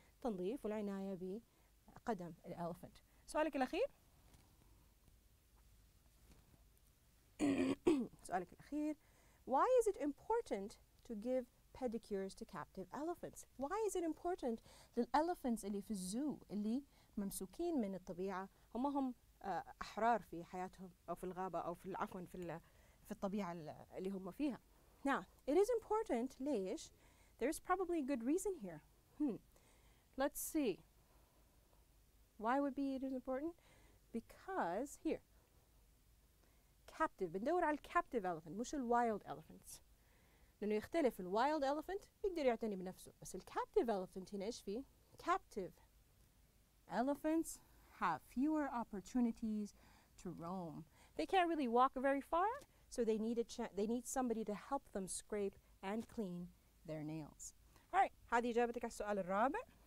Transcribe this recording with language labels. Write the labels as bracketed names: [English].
[Arabic] تنظيف والعناية بقدم الإلفنت. سؤالك الأخير. سؤالك الأخير. [English] Why is it important to give pedicures to captive elephants? Why is it important [Arabic] للإلفنتس اللي في الزو اللي ممسوكين من الطبيعة هم أحرار في حياتهم أو في الغابة أو في العفو في الطبيعة اللي هم فيها. [English] Now, it is important. [Arabic] ليش? [English] There is probably a good reason here. Let's see. Why would be it important? Because here. Captive. [Arabic] بندور على captive elephant. مش wild elephants. لأنه يختلف. Wild elephant يقدر يعتني بنفسه. بس captive elephant هنا إيش فيه? [English] Captive elephants have fewer opportunities to roam. They can't really walk very far, so they need need somebody to help them scrape and clean their nails. All right, [Arabic] هذه إجابتك على السؤال الرابع.